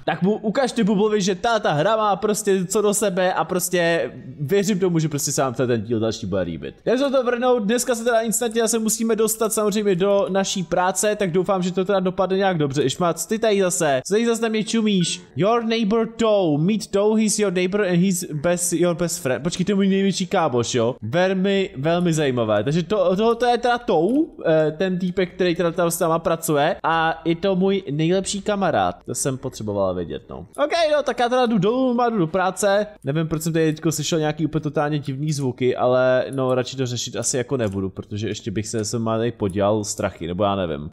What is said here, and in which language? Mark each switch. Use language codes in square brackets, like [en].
[cs] Tak mu ukažte Bublovi, že ta hra má prostě co do sebe a prostě věřím tomu, že prostě se vám ten díl další bude líbit. Já se to vrnou, dneska se teda instantně se musíme dostat samozřejmě do naší práce, tak doufám, že to teda dopadne nějak dobře. Išmac, ty tady zase, co tady zase na mě čumíš? [en] Your neighbor Toe, meet Toe, he's your neighbor and he's best, your best friend. [cs] Počkej, to je můj největší kámoš, jo? Velmi, velmi zajímavé. Takže to je teda Toe, ten týpek, který teda tam s náma pracuje a je to můj nejlepší kamarád. To jsem potřeboval vědět, no. Ok, no, tak já teda jdu dolů, má jdu do práce. Nevím, proč jsem tady teďko slyšel nějaký úplně totálně divný zvuky, ale no, radši to řešit asi jako nebudu, protože ještě bych se sem má podělal strachy, nebo já nevím.